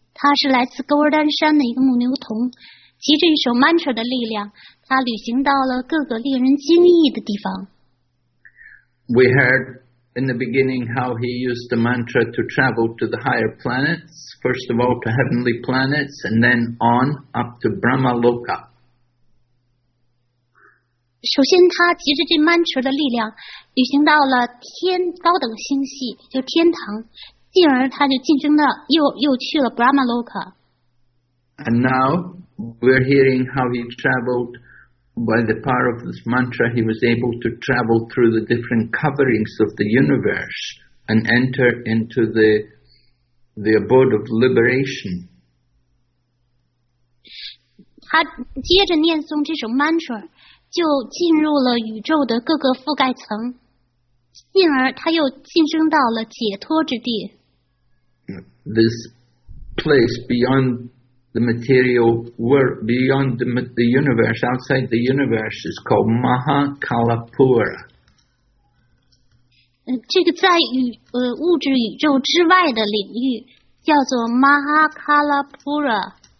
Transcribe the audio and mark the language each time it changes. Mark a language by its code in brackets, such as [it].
[zh] 他是来自高尔丹山的一个牧牛童，骑着一首 mantra 的力量，他旅行到了各个令人惊异的地方。 [en] We heard in the beginning how he used the mantra to travel to the higher planets, first of all to heavenly planets, and then on up to Brahma Loka. [zh] 首先他集着这 mantra 的力量旅行到了天高等星系，就天堂，进而他就晋升到又去了 Brahma Loka。 [en] And now we're hearing how he traveled by the power of this mantra. He was able to travel through the different coverings of the universe and enter into the abode of liberation. [zh] 他接着念诵这首 mantra就进入了宇宙的各个覆盖层，进而他又晋升到了解脱之地。 [en] This place beyond the material world, beyond the universe, outside the universe, is called Mahakalapura. [zh] 这个在物质宇宙之外的领域叫做 Mahakalapura.